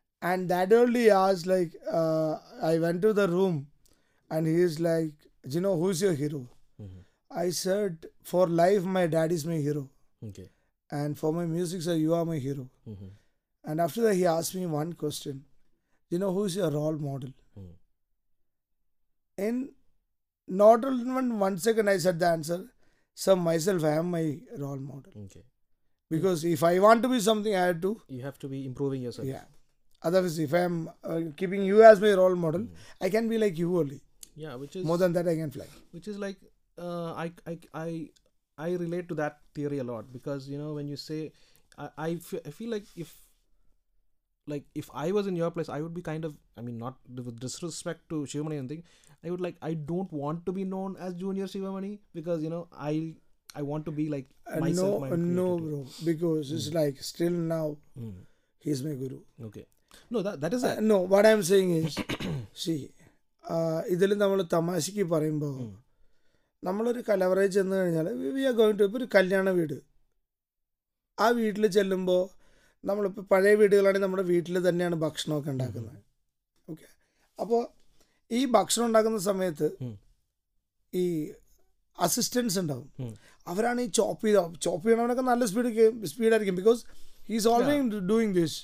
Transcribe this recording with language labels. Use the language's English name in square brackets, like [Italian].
[English] And that only as like I went to the room and he is like Jino who's your hero. I said for life my dad is my hero. And for my music, sir, you are my hero. Mm-hmm. And after that, he asked me one question. You know, who is your role model? Mm-hmm. In not even 1 second, I said the answer. Sir, myself, I am my role model. Okay. Because if I want to be something, I have to. You have to be improving yourself. Yeah. Otherwise, if I am keeping you as my role model, I can be like you only. Yeah, which is. More than that, I can fly. Which is like, I relate to that theory a lot because, you know, when you say, I feel like if I was in your place, I would be kind of, I mean, not with disrespect to Sivamani or anything, I would like, I don't want to be known as Junior Sivamani because, you know, I want to be like myself. No, bro, because it's like still now, he's my guru. Okay. No, that is that. No, what I'm saying is, see, [Malayalam] ഇതിൽ നമ്മൾ തമാശക്ക് പറയുമ്പോൾ നമ്മളൊരു കലവറയിൽ ചെന്ന് കഴിഞ്ഞാൽ [English] we are going to, [Malayalam] ഇപ്പോൾ ഒരു കല്യാണ വീട്, ആ വീട്ടിൽ ചെല്ലുമ്പോൾ നമ്മളിപ്പോൾ പഴയ വീടുകളാണെങ്കിൽ നമ്മുടെ വീട്ടിൽ തന്നെയാണ് ഭക്ഷണമൊക്കെ ഉണ്ടാക്കുന്നത്. ഓക്കെ, അപ്പോൾ ഈ ഭക്ഷണം ഉണ്ടാക്കുന്ന സമയത്ത് ഈ അസിസ്റ്റൻസ് ഉണ്ടാവും, അവരാണ് ഈ ചോപ്പ് ചെയ്ത ചോപ്പ് ചെയ്യണവനൊക്കെ നല്ല സ്പീഡായിരിക്കും, [English] because he is always doing this